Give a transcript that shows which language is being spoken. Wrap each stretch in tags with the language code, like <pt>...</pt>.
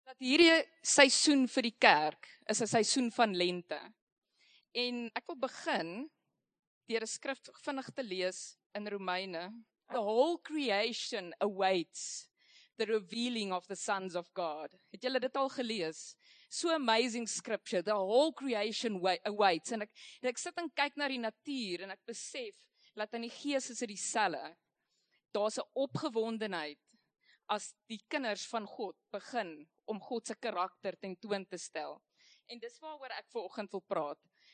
<af>dat hierdie seisoen vir die kerk is 'n seisoen van lente. En ek wil begin deur 'n skrif vinnig te lees in Romeine.</af> <en>The whole creation awaits the revealing of the sons of God.</en> <af>Het julle dit al gelees?</af> <en>So amazing scripture. The whole creation awaits.</en> <af>En ek sit en kyk na die natuur en ek besef dat in die gees is dit dieselfde. Daar's 'n opgewondenheid as die kinders van God begin om God se karakter ten toon te stel. En dis waaroor ek vanoggend wil praat.</af>